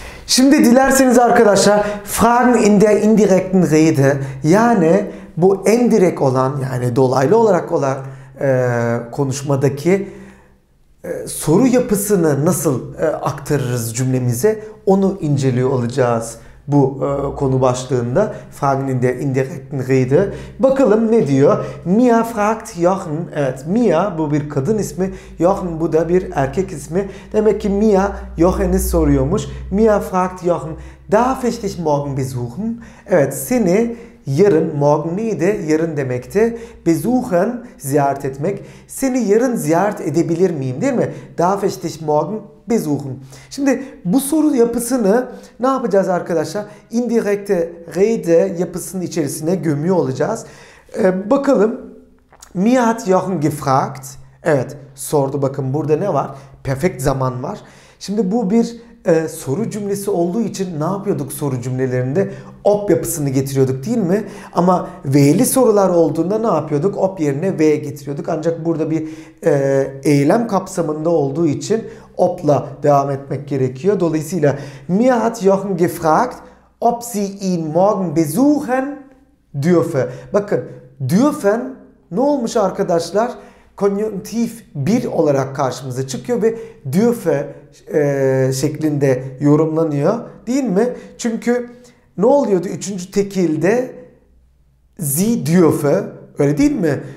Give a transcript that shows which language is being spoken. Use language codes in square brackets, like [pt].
[tr] Şimdi dilerseniz arkadaşlar [de] Fragen in der indirekten Rede, [tr] yani bu en direkt olan, yani dolaylı olarak olan konuşmadaki soru yapısını nasıl aktarırız cümlemize, onu inceliyor olacağız bu konu başlığında. [de] Fragen in der indirekten Rede. [tr] Bakalım ne diyor? [de] Mia fragt Jochen. [tr] Evet, Mia bu bir kadın ismi. Jochen bu da bir erkek ismi. Demek ki Mia Jochen'i soruyormuş. [de] Mia fragt Jochen. Darf ich dich morgen besuchen? [tr] Evet, seni yarın, morgen neydi? Yarın demekti. Besuchen, ziyaret etmek. Seni yarın ziyaret edebilir miyim? Değil mi? [de] Darf ich dich morgen besuchen? [tr] Şimdi bu soru yapısını ne yapacağız arkadaşlar? Indirekte rede yapısının içerisine gömüyor olacağız. Bakalım. [de] Mir hat Jochen gefragt. [tr] Evet, sordu bakın burada ne var? Perfect zaman var. Şimdi bu bir soru cümlesi olduğu için ne yapıyorduk soru cümlelerinde? Op yapısını getiriyorduk değil mi? Ama V'li sorular olduğunda ne yapıyorduk? Op yerine V getiriyorduk. Ancak burada bir eylem kapsamında olduğu için op'la devam etmek gerekiyor. Dolayısıyla [de] mir hat Jochen gefragt, ob sie ihn morgen besuchen dürfe. [tr] Bakın, dürfen ne olmuş arkadaşlar? Konjonktif bir olarak karşımıza çıkıyor ve dürfe şeklinde yorumlanıyor, değil mi? Çünkü ne oluyordu üçüncü tekilde? [de] Sie dürfe, [tr] öyle değil mi?